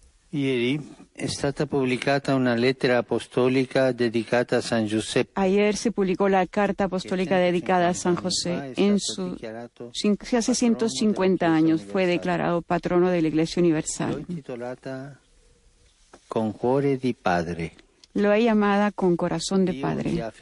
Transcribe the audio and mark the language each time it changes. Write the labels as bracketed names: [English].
[Italian] Ieri è stata pubblicata una lettera apostolica dedicata a San Giuseppe. [Spanish] Ayer se publicó la carta apostólica dedicada a San José. En su hace 150 años fue declarado patrono de la Iglesia Universal. [Italian] Titolata Con cuore di padre. [Spanish] Lo he llamada con corazón de padre.